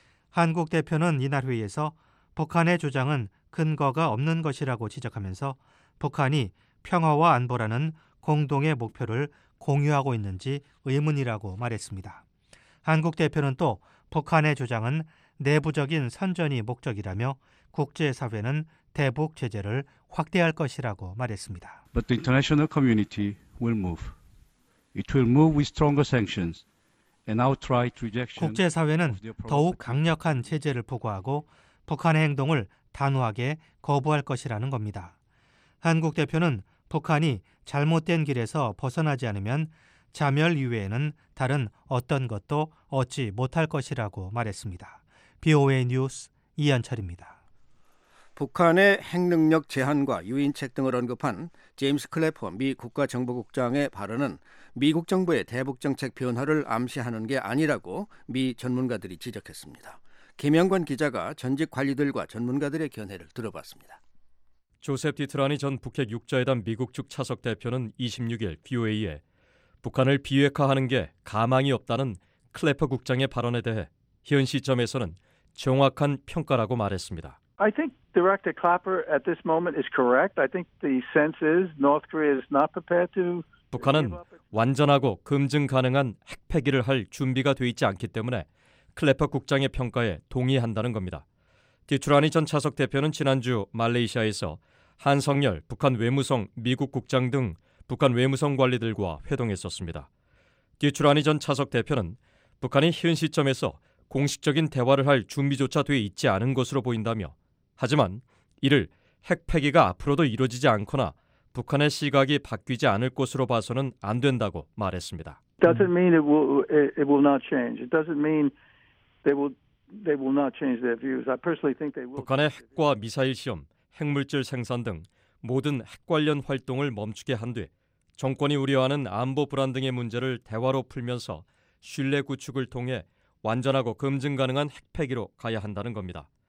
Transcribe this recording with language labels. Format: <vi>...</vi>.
<ko>한국 대표는 이날 회의에서 북한의 주장은 근거가 없는 것이라고 지적하면서 북한이 평화와 안보라는 공동의 목표를 공유하고 있는지 의문이라고 말했습니다. 한국 대표는 또 북한의 주장은 내부적인 선전이 목적이라며 국제사회는 대북 제재를 확대할 것이라고 말했습니다.</ko> <en>But the international community will move. It will move with stronger sanctions and outright rejection.</en> <ko>국제사회는 더욱 강력한 제재를 부과하고 북한의 행동을 단호하게 거부할 것이라는 겁니다. 한국 대표는 북한이 잘못된 길에서 벗어나지 않으면 자멸 이외에는 다른 어떤 것도 얻지 못할 것이라고 말했습니다. BOA 뉴스 이현철입니다. 북한의 핵능력 제한과 유인책 등을 언급한 제임스 클래퍼 미 국가정보국장의 발언은 미국 정부의 대북정책 변화를 암시하는 게 아니라고 미 전문가들이 지적했습니다. 김영관 기자가 전직 관리들과 전문가들의 견해를 들어봤습니다. 조셉 디트라니 전 북핵 6자회담 미국 측 차석 대표는 26일 BOA에 북한을 비핵화하는 게 가망이 없다는 클래퍼 국장의 발언에 대해 현 시점에서는 정확한 평가라고 말했습니다.</ko> <en>I think Director Clapper at this moment is correct. I think the sense is North Korea is not prepared to</en> <ko>북한은 완전하고 검증 가능한 핵폐기를 할 준비가 돼 있지 않기 때문에 클래퍼 국장의 평가에 동의한다는 겁니다. 디트라니 전 차석 대표는 지난주 말레이시아에서 한성열 북한 외무성 미국 국장 등 북한 외무성 관리들과 회동했었습니다. 디트라니 전 차석 대표는 북한이 현 시점에서 공식적인 대화를 할 준비조차 돼 있지 않은 것으로 보인다며 하지만 이를 핵폐기가 앞으로도 이루어지지 않거나 북한의 시각이 바뀌지 않을 것으로 봐서는 안 된다고 말했습니다.</ko> <en>Doesn't mean it will not change. It doesn't mean they will not change their views. I personally think they will.</en> <ko>북한의 핵과 미사일 시험, 핵물질 생산 등 모든 핵 관련 활동을 멈추게 한 뒤 정권이 우려하는 안보 불안 등의 문제를 대화로 풀면서 신뢰 구축을 통해 완전하고 검증 가능한 핵폐기로 가야 한다는 겁니다.</ko>